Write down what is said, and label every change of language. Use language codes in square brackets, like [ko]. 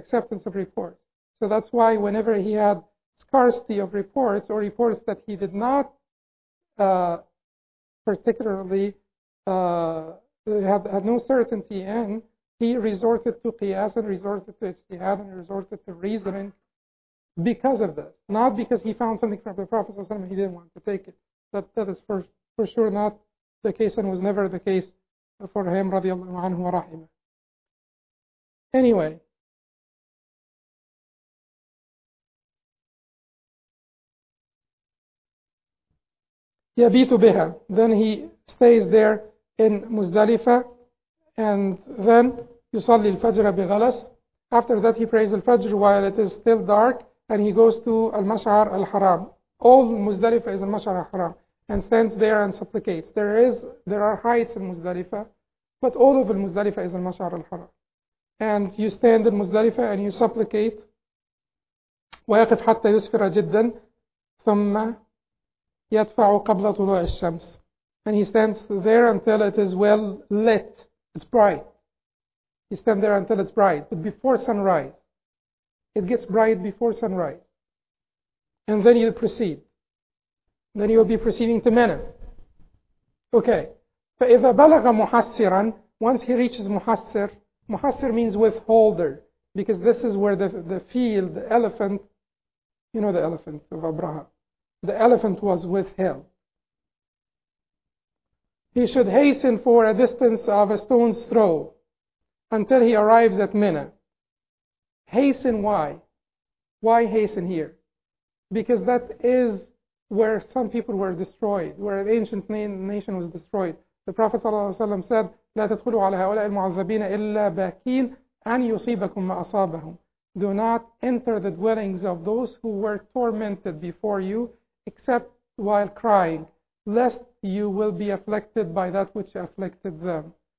[en] So that's why whenever he had scarcity of reports, or reports that he did not particularly had no certainty in, he resorted to qiyas and resorted to ijtihad and resorted to reasoning because of this. Not because he found something from the Prophet ﷺ and he didn't want to take it. That is for sure not the case, and was never the case for him, radiallahu anhu wa rahimah. Anyway, [ar] يَبِيتُ بِهَا. [en] Then he stays there in Muzdalifah, and then [ar] يُصَلِّ الْفَجْرَ بِغَلَسٍ. [en] After that, he prays al-Fajr while it is still dark, and he goes to al-Mash'ar al-Haram. All Muzdalifah is al-Mash'ar al-Haram, and stands there and supplicates. There are heights in Muzdalifah, but all of al-Muzdalifah is al-Mash'ar al-Haram. And you stand in Muzdalifah and you supplicate. [ar] وَيَقِفْ حَتَّى يُسْفِرَ جِدًّا ثُمَّ يدفع قبل طلوع الشمس. [en] And he stands there until it is well lit. It's bright. He stands there until it's bright. But before sunrise. It gets bright before sunrise. And then you proceed. Then you will be proceeding to Mina. Okay. [ar] فإذا بلغ محسرا, [en] once he reaches محسر, محسر means withholder. Because this is where the field, the elephant, you know the elephant of Abraham. The elephant was with him. He should hasten for a distance of a stone's throw until he arrives at Mina. Hasten why? Why hasten here? Because that is where some people were destroyed, where an ancient nation was destroyed. The Prophet ﷺ said, [ar] لا تدخلوا على هؤلاء المعذبين إلا باكين أن يصيبكم ما أصابهم. [en] Do not enter the dwellings of those who were tormented before you, except while crying, lest you will be afflicted by that which afflicted them.